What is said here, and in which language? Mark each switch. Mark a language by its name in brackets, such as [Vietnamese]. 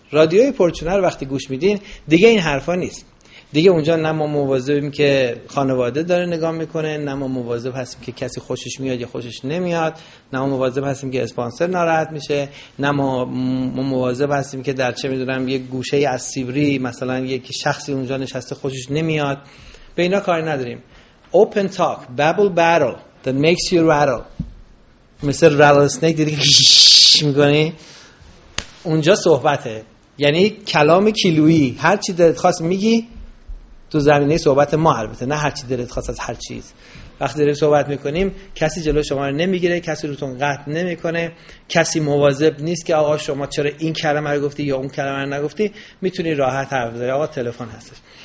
[Persian] رادیوی پرچونر وقتی گوش میدین دیگه این حرفا نیست، دیگه اونجا نه ما مواظبیم که خانواده داره نگاه میکنه، نه ما مواظب هستیم که کسی خوشش میاد یا خوشش نمیاد، نه ما مواظب هستیم که اسپانسر ناراحت میشه، نه ما مواظب هستیم که در چه میدونم یه گوشه از سیبری مثلا یک شخصی اونجا نشسته خوشش نمیاد، به اینا کار نداریم. [English] Open talk, babble battle that makes you rattle. [Persian] مثل rattlesnake دیدی که میکنی؟ اونجا صحبته، یعنی کلام کیلویی، هر چی دلت خواست میگی تو زمینه صحبت ما، البته نه هر چی دلت خواست از هر چیز. وقتی داریم صحبت میکنیم کسی جلو شما رو نمیگیره، کسی روتون قطع نمیکنه، کسی مواظب نیست که آقا شما چرا این کلمه رو گفتی یا اون کلمه رو نگفتی، میتونی راحت حرف بزنی. آقا تلفن هستش.